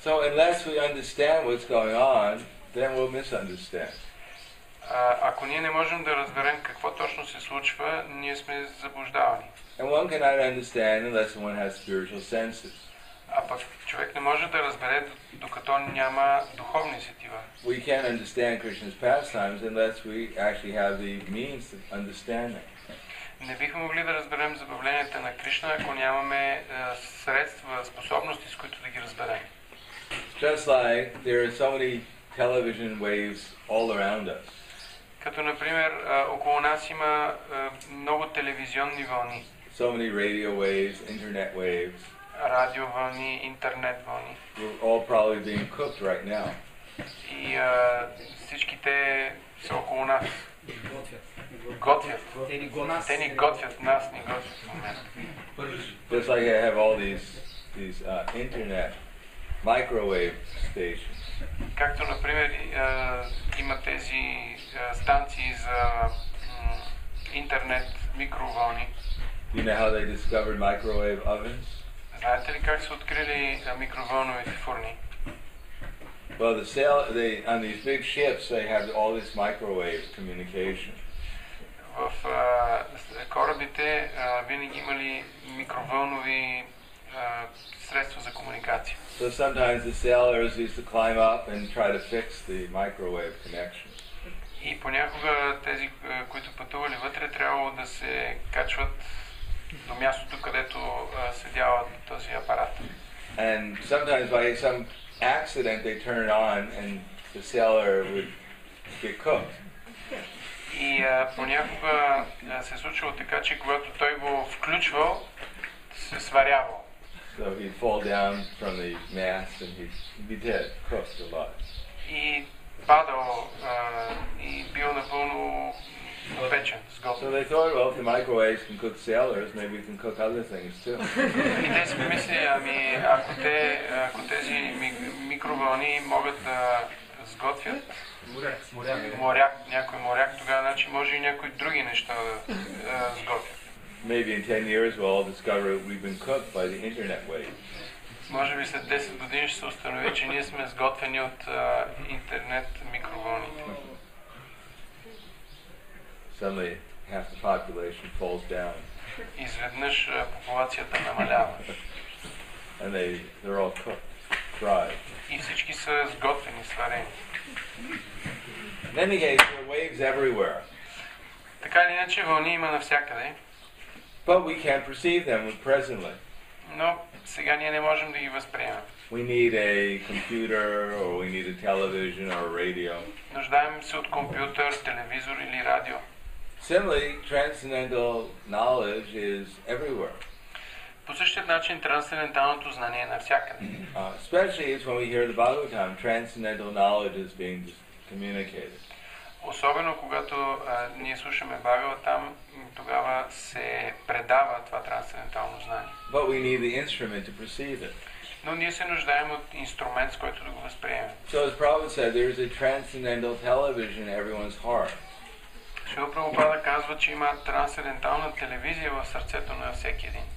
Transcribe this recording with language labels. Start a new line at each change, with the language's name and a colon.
English: So unless we understand what's going on, then we'll misunderstand.
Bulgarian: Ако ние не можем да разберем какво точно се случва, ние сме заблуждавани.
English: And one cannot understand unless one has spiritual senses.
Bulgarian: А пък човек не може да разбере, докато няма духовни сетива.
English: We can't understand Krishna's pastimes unless we actually have the means to understand it.
Bulgarian: Не бихме могли да разберем забавленията на Кришна, ако нямаме средства, способности, с които да ги разберем.
English: Just like there are so many television waves all around us.
Bulgarian: Като например, около нас има много телевизионни вълни.
English: So many radio waves, internet waves.
Bulgarian: Радио вълни, интернет вълни.
English: We're all probably being cooked right now.
Bulgarian: И всички те са около нас. Готвят. Те ни готвят, нас ни готвят.
English: Just like I have all these internet microwave stations.
Bulgarian: Както например има тези станции за интернет микровълни.
English: You know how they discovered microwave ovens?
Bulgarian: Знаете ли как са открили микровълновите фурни?
English: Well, the sail, they on these big ships, they have all this microwave communication.
Bulgarian: В корабите винаги имали микровълнови средства за комуникация.
English: So sometimes the sailors used to climb up and try to fix the microwave connection.
Bulgarian: И понякога тези, които пътували вътре, трябвало да се качват до мястото, където седява този апарат.
English: And sometimes by some accident they turn it on and the sailor would get cooked.
Bulgarian: И понякога се случвало така, че когато той го включвал, се сварявал.
English: So he'd fall down from the mast and he'd be dead, cooked a lot.
Bulgarian: И падал и бил напълно печен, сготвен.
English: So they thought, well, if the microwaves can cook sailors, maybe we can cook other things too.
Bulgarian: И те си помислили, ами ако те, ако тези микровълни могат да сготвят моряк, някой моряк, тогава значи може и някои други неща да сготвят.
English: Maybe in 10 years we'll all discover we've been cooked by the internet waves.
Bulgarian: Може би след 10 години ще се установи, че ние сме сготвени от интернет микровълните.
English: Suddenly half the population falls down.
Bulgarian: Изведнъж популацията намалява.
English: And they're all cooked, fried.
Bulgarian: И всички са сготвени, сварени.
English: In any case, there are waves everywhere.
Bulgarian: Така или иначе вълни има навсякъде.
English: But we can't perceive them presently.
Bulgarian: Но сега ние не можем да ги възприемем.
English: We need a computer or we need a television or a radio.
Bulgarian: Нуждаем се от компютър, телевизор или радио.
English: Similarly, transcendental knowledge is everywhere.
Bulgarian: По същия начин трансценденталното знание е навсякъде.
English: Especially it's when we hear the Bhagavatam, transcendental knowledge is being communicated.
Bulgarian: Особено когато ние слушаме Бхагаватам, тогава се предава това трансцендентално знание.
English: But we need the instrument to perceive it.
Bulgarian: Но ние се нуждаем от инструмент, с който да го възприемем.
English: So as Prabhupada said, there is a transcendental television in everyone's heart.
Bulgarian: Шрила Прабхупада казва, че има трансцендентална телевизия в сърцето на всеки един.